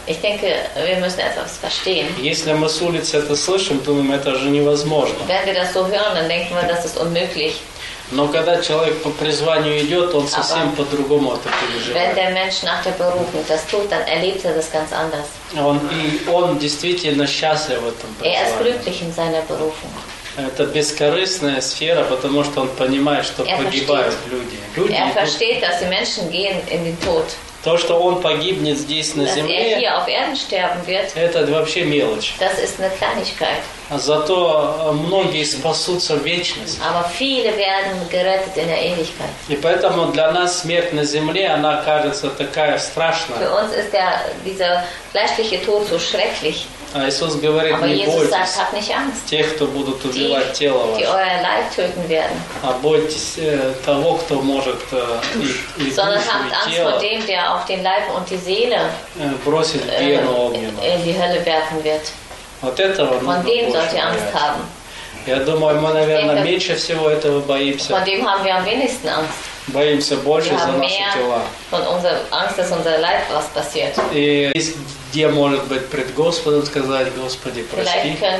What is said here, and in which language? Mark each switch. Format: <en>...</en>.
<de>Ich denke, wir müssen etwas verstehen.</de> <ru>Если мы с улицы это слышим, думаем, это же невозможно.</ru> <de>Wenn wir das so hören, dann denken wir, das ist unmöglich.</de> <ru>Но когда человек по призванию идет, он совсем по-другому это переживает.</ru> <de>Wenn der Mensch nach der Berufung das tut, dann erlebt er das ganz anders.</de> <ru>Он действительно счастлив в этом призвании.</ru> <de>Er ist glücklich in seiner Berufung.</de> <ru>Это бескорыстная сфера, потому что он понимает, что погибают люди.</ru> <de>Er versteht, dass die Menschen gehen in den Tod.</de> <ru>То, что он погибнет здесь на земле,</ru> <de>dass er hier auf Erden sterben wird,</de> <ru>это вообще мелочь.</ru> <de>Das ist eine Kleinigkeit.</de> <ru>Зато многие спасутся в вечность.</ru> <de>Aber viele werden gerettet in der Ewigkeit.</de> <ru>И поэтому для нас смерть на земле, она кажется такая страшная.</ru> <de>Für uns ist dieser fleischliche Tod so schrecklich.</de> <ru>А Иисус говорит,</ru> <de>Aber</de> <ru>не</ru> <de>Jesus</de> <ru>бойтесь</ru> <de>sagt, nicht Angst,</de> <ru>тех, кто будут убивать тело ваше,</ru> <de>die euer Leib töten werden.</de> <ru>А бойтесь того, кто может и</ru> <de>auf den Leib und die Seele in die Hölle werfen wird.</de> <ru>Вот этого</ru> <de>von dem sollt ihr Angst haben.</de> <ru>Я думаю, мы, наверное, меньше всего этого боимся.</ru> <de>Von dem haben wir am wenigsten Angst.</de> <ru>Боимся больше за наши тела.</ru> <de>Von unserer Angst, dass unser Leib was passiert.</de> <ru>И есть где может быть пред Господом сказать: Господи, прости.</ru>